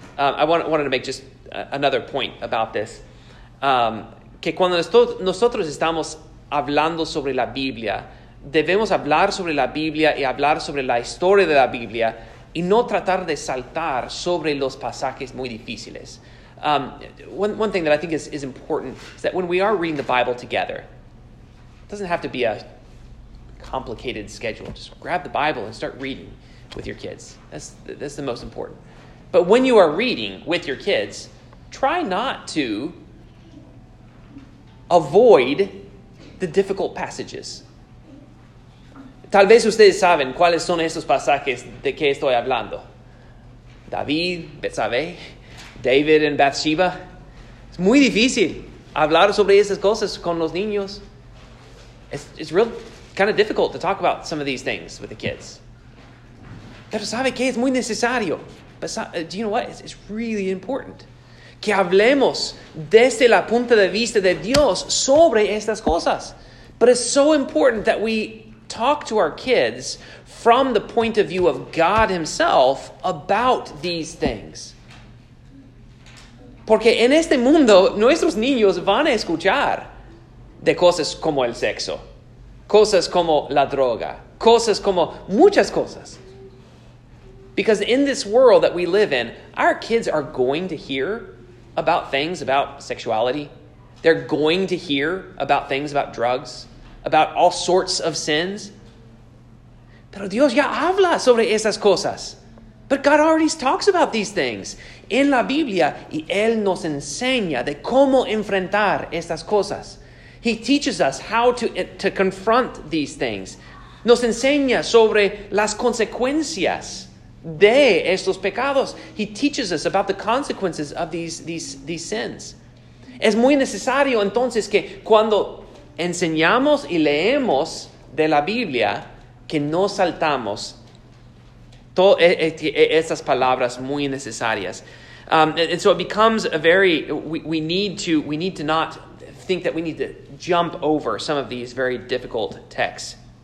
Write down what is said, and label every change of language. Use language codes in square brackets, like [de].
[en] I wanted to make just another point about this. [es] Que cuando nosotros estamos hablando sobre la Biblia, debemos hablar sobre la Biblia y hablar sobre la historia de la Biblia y no tratar de saltar sobre los pasajes muy difíciles. [en] One thing that I think is important is that when we are reading the Bible together, it doesn't have to be a complicated schedule. Just grab the Bible and start reading with your kids. That's the most important. But when you are reading with your kids, try not to avoid the difficult passages. [es] Tal vez ustedes saben cuáles son esos pasajes de que estoy hablando. David, Betsabé, David and Bathsheba. Es muy difícil hablar sobre esas cosas con los niños. [en] It's real kind of difficult to talk about some of these things with the kids. [es] Pero sabe que es muy necesario. [en] But do you know what? It's really important. [es] Que hablemos desde la punta de vista de Dios sobre estas cosas. [en] But it's so important that we talk to our kids from the point of view of God himself about these things. [es] Porque en este mundo, nuestros niños van a escuchar de cosas como el sexo, cosas como la droga, cosas como muchas cosas. [en] Because in this world that we live in, our kids are going to hear about things about sexuality. They're going to hear about things about drugs, about all sorts of sins. [es] Pero Dios ya habla sobre esas cosas. [en] But God already talks about these things in [es] la Biblia, y Él nos enseña de cómo enfrentar estas cosas. [en] He teaches us how to confront these things. [es] Nos enseña sobre las consecuencias de estos pecados. [en] He teaches us about the consequences of these sins. [es] Es muy necesario entonces que cuando enseñamos y leemos de la Biblia, que no saltamos estas palabras muy necesarias. [en] And so it becomes a very, we need to not think that we need to jump over some of these very difficult texts.